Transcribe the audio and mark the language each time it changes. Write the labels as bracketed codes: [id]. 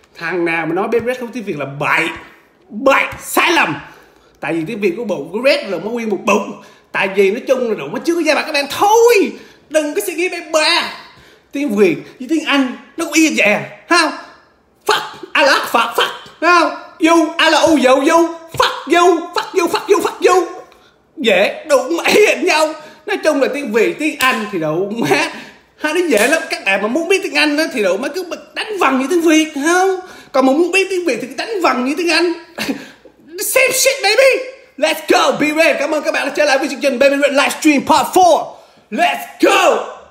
[vi] Thằng nào mà nói bên Red không biết tiếng Việt là bậy. Bậy, sai lầm. Tại vì tiếng Việt của bụng của Red là má nguyên một bụng. Tại vì nói chung là đủ má chưa có gia bạc các bạn. Thôi, đừng có suy nghĩ bên bà. Tiếng Việt với tiếng Anh nó cũng y như vậy à, không? [en] Fuck, I love fuck, fuck, không? You, I love you, you, fuck you, fuck you, fuck you, fuck you. [vi] Dễ, đủ mấy hình nhau. Nói chung là tiếng Việt, tiếng Anh thì đủ má. Ha, nó dễ lắm, các bạn mà muốn biết tiếng Anh đó, thì đủ má cứ đánh vần như tiếng Việt, không? Còn mà muốn biết tiếng Việt thì đánh vần như tiếng Anh. [en] Same shit baby. Let's go, be ready. [vi] Cảm ơn các bạn đã trở lại với chương trình Baby Red Livestream Part 4. [en] Let's go.